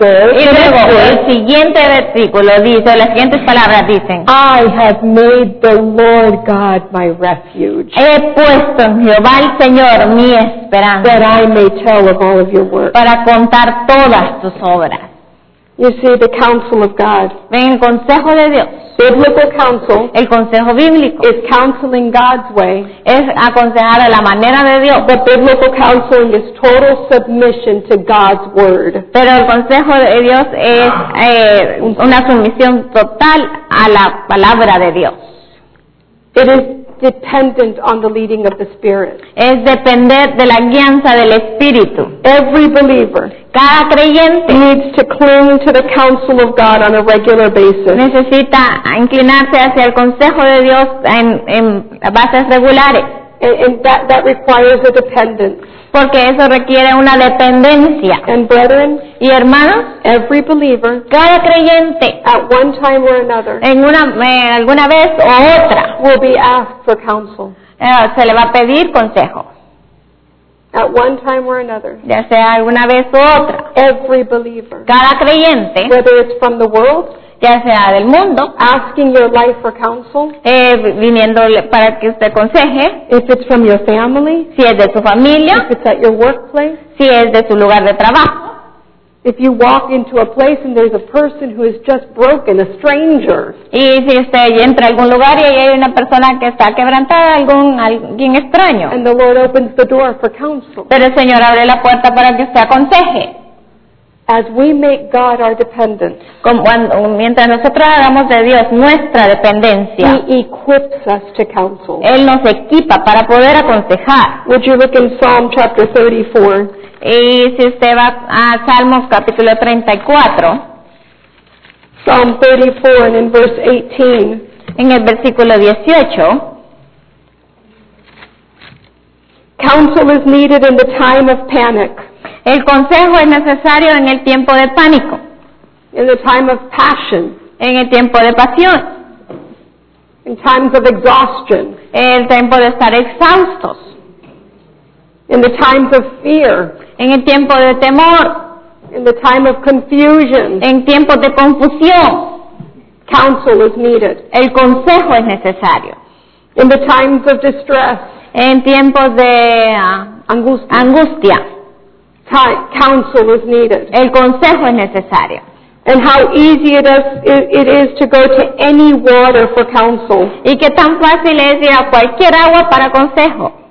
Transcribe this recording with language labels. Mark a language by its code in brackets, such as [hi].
[en] is, [es] y luego el siguiente versículo dice, las siguientes palabras dicen, [en] I have made the Lord God my refuge. [es] He puesto en Jehová el Señor mi esperanza. [en] That I may tell of all of your works. [es] Para contar todas tus obras. [en] You see, the counsel of God. [es] Ven el consejo de Dios. [en] Biblical counsel. [es] El consejo bíblico. [en] Is counseling God's way. [es] Es aconsejar a la manera de Dios. [en] But biblical counseling is total submission to God's word. [es] Pero el consejo de Dios es una sumisión total a la palabra de Dios. [en] It is dependent on the leading of the Spirit. [es] Es depender de la guianza del Espíritu. [en] Every believer. [es] Cada creyente [en] needs to cling to the counsel of God on a regular basis. [es] Necesita inclinarse hacia el consejo de Dios en bases regulares. [en] And that requires a dependence. [es] Porque eso requiere una dependencia. [en] And brethren, [es] y hermanos, [en] every believer, [es] cada creyente, [en] at one time or another, [es] en una alguna vez o otra, [en] will be asked for counsel. [es] Se le va a pedir consejo. [en] At one time or another, [es] ya sea alguna vez o otra, [en] every believer, [es] cada creyente, [en] whether it's from the world, [es] ya sea del mundo, [en] asking your life for counsel, [es] viniendo para que usted aconseje, [en] if it's from your family, [es] si es de su familia, [en] if it's at your workplace, [es] si es de su lugar de trabajo, [en] if you walk into a place and there's a person who is just broken, a stranger, [es] y si usted entra a algún lugar y hay una persona que está quebrantada, alguien extraño, [en] and the Lord opens the door for counsel, [es] pero el Señor abre la puerta para que usted aconseje. [en] As we make God our dependence, [es] mientras nosotros hagamos de Dios nuestra dependencia, [en] He equips us to counsel. [es] Él nos equipa para poder aconsejar. [en] Would you look in Psalm chapter 34? [es] Y si usted va a Salmos capítulo 34, [en] Psalm 34 and in verse 18, [es] en el versículo 18, [en] counsel is needed in the time of panic. [es] El consejo es necesario en el tiempo de pánico. [en] In the time of passion. [es] En el tiempo de pasión. [en] In times of exhaustion. [es] En el tiempo de estar exhaustos. [en] In the times of fear. [es] En el tiempo de temor. [en] In the time of confusion. [es] En tiempos de confusión. [en] Counsel is needed. [es] El consejo es necesario. [en] In the times of distress. [es] En tiempos de angustia. [en] Counsel is needed. [es] El consejo es necesario. [en] And how easy it is to go to any water for counsel. [es] Y qué tan fácil es ir a cualquier agua para consejo.